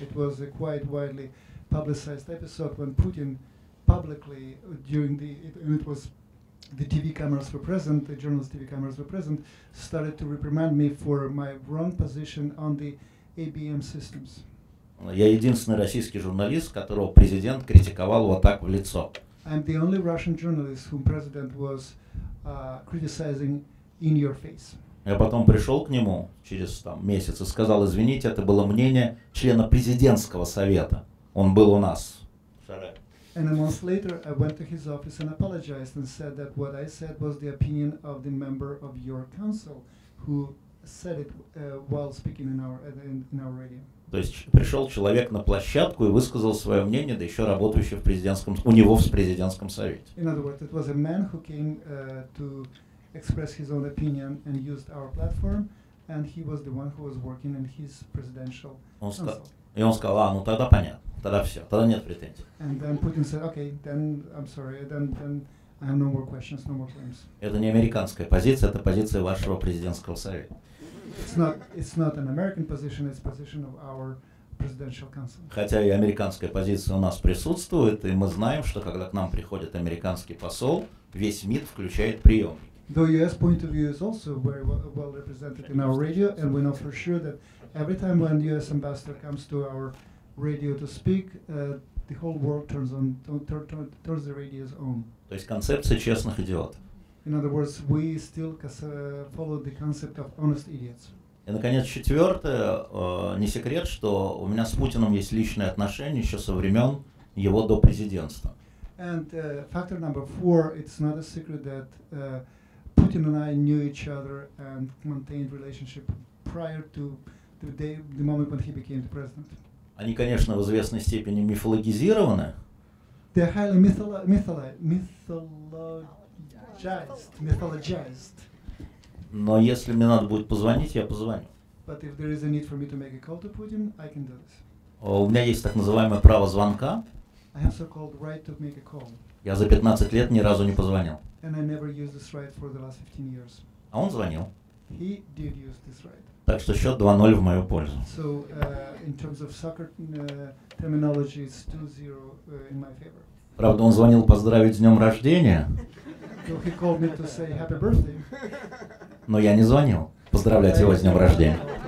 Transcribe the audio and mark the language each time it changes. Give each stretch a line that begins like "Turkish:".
English: It was a quite widely publicized episode when Putin publicly during the TV cameras were present, the journalist TV cameras were present, started to reprimand me for my wrong position on the ABM systems.
Russian: Я единственный российский журналист, которого президент критиковал вот так в лицо.
English: I'm the only Russian journalist whom president was criticizing in your face.
Russian: Я потом пришел к нему через там месяц и сказал, извините, это было мнение члена президентского совета. Он был у нас.
English: And a month later, I went to his office and apologized and said that what I said was the opinion of the member of your council who said it while speaking in our radio.
Russian: То есть пришел человек на площадку и высказал свое мнение, да еще работающий в президентском, у него в президентском совете.
English: In other words, it was a man who came to express his own opinion and used our platform, and he was the one who was working in his presidential council.
Russian: И он сказал, ну тогда понятно. Тогда все, тогда нет претензий.
English: And then Putin said, okay, then I'm sorry, then I have no more questions, no more claims.
Russian: Это не американская позиция, это позиция вашего президентского совета.
English: It's not an American position, it's position of our presidential council.
Russian: Хотя и американская позиция у нас присутствует, и мы знаем, что когда к нам приходит американский посол, весь мир включает приемники.
English: The US point of view is also very well represented in our radio, and we know for sure that every time when the US ambassador comes to our radio to speak, the whole world turns the radio's on.
Russian: То есть концепция честных идиотов.
English: In other words, we still follow the concept of honest idiots.
Russian: И наконец четвертое, не секрет, что у меня с Путиным есть личные отношения еще со времен его до президентства.
English: And factor number four, it's not a secret that Putin and I knew each other and maintained relationship prior to the moment when he became the president.
Russian: Они, конечно, в известной степени мифологизированы.
English: They're highly mythologized.
Russian: Но если мне надо будет позвонить, я позвоню.
English: But if there is a need for me to make a call to Putin, I can do this.
Russian: У меня есть так называемое право звонка.
English: I have so-called right to make a call.
Russian: Я за 15 лет ни разу не позвонил.
English: And I never used this right for the last 15 years.
Russian: А он звонил.
English: He did use this right.
Russian: Так что счет 2-0 в мою пользу.
English: So in terms of soccer terminology, it's 2-0 in my favor.
Russian: Правда, он звонил поздравить с днем рождения.
English: So he called me to say happy birthday.
Russian: Но я не звонил поздравлять его с днем рождения.